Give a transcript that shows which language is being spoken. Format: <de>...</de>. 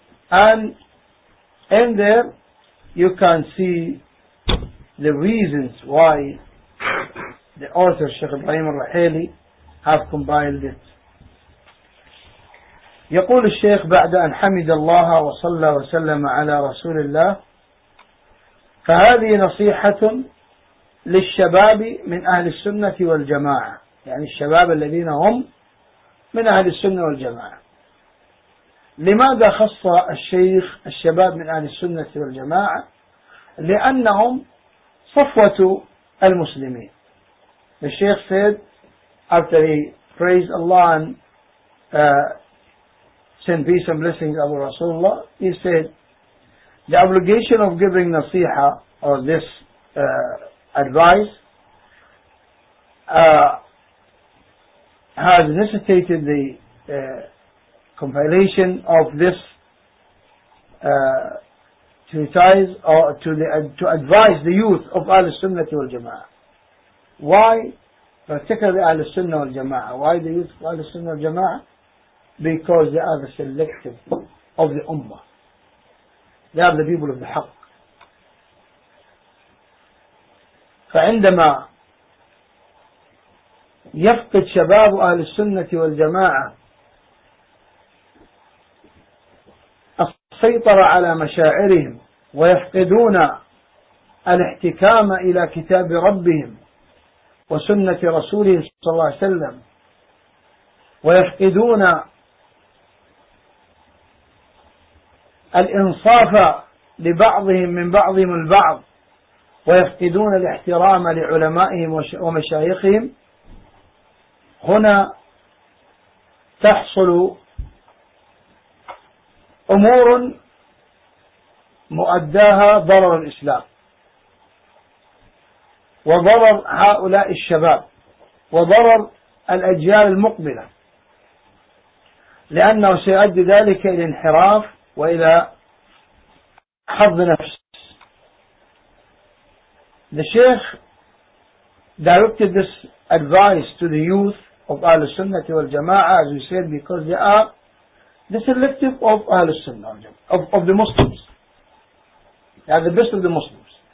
<en>And in there you can see the reasons why the author Sheikh Ibrahim al-Rahili have compiled it.</en> <ar>يقول الشيخ بعد أن حمد الله وصلى وسلم على رسول الله فهذه نصيحة للشباب من أهل السنة والجماعة، يعني الشباب الذين هم من أهل السنة والجماعة. لماذا خص الشيخ الشباب من أهل السنة والجماعة؟ لأنهم صفوة المسلمين.</ar> <en>The Sheikh said, after he praised Allah and sent peace and blessings of Rasulullah, he said, the obligation of giving nasiha or this advice has necessitated the compilation of this treatise or to advise the youth of Ahl-Sunnah wal-Jama'ah. Why? Particularly Ahl-Sunnah wal-Jama'ah. Why the youth of Ahl-Sunnah wal-Jama'ah? Because they are the selective of the Ummah. They are the people of the Haqq.</en> <ar>فعندما يفقد شباب Ahl-Sunnah wal-Jama'ah سيطر على مشاعرهم ويفقدون الاحتكام إلى كتاب ربهم وسنة رسوله صلى الله عليه وسلم ويفقدون الإنصاف لبعضهم من بعضهم البعض ويفقدون الاحترام لعلمائهم ومشايخهم، هنا تحصل أمور مؤداها ضرر الإسلام وضرر هؤلاء الشباب وضرر الأجيال المقبلة، لأنه سيؤدي ذلك إلى انحراف وإلى حظ نفس.</ar> <en>The Sheikh directed this advice to the youth of Ahl-Sunnah wal-Jama'ah, as we said, because they are the selective of Ahl-Sunnah, of the Muslims. They are the best of the Muslims.</en>